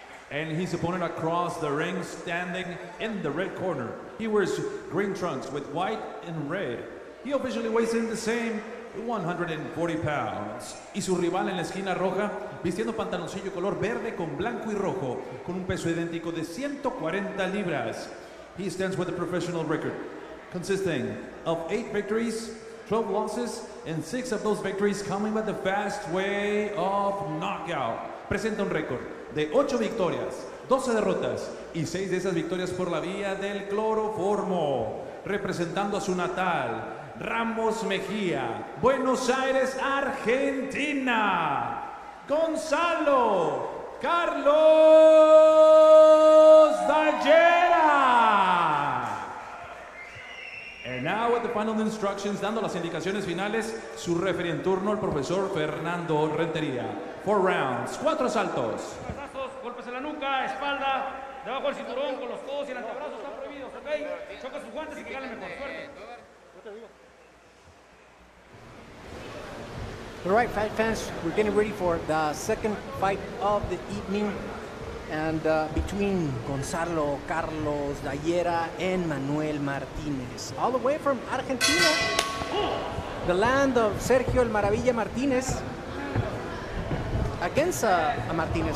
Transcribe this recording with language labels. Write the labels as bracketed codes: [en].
[en] And his opponent across the ring standing in the red corner. He wears green trunks with white and red. He officially weighs in the same 140 pounds. [es] Y su rival en la esquina roja, vistiendo pantaloncillo color verde con blanco y rojo, con un peso idéntico de 140 libras. [en] He stands with a professional record consisting of 8 victories, 12 losses, and 6 of those victories coming by the fast way of knockout. [es] Presenta un récord de 8 victorias, 12 derrotas, y 6 de esas victorias por la vía del cloroformo. Representando a su natal, Ramos Mejía, Buenos Aires, Argentina. Gonzalo Carlos Dallera. [en] And now with the final instructions, [es] dando las indicaciones finales, su referee en turno, el profesor Fernando Rentería. 4 rounds, 4 saltos. Golpes en la nuca, espalda, debajo del cinturón, con los codos y el antebrazo están prohibidos, ¿ok? Choca sus guantes y que gane mejor suerte. [en] All right, fight fans, we're getting ready for the second fight of the evening, and between Gonzalo Carlos Dallera and Manuel Martinez, all the way from Argentina, the land of Sergio El Maravilla Martinez, against a Martinez.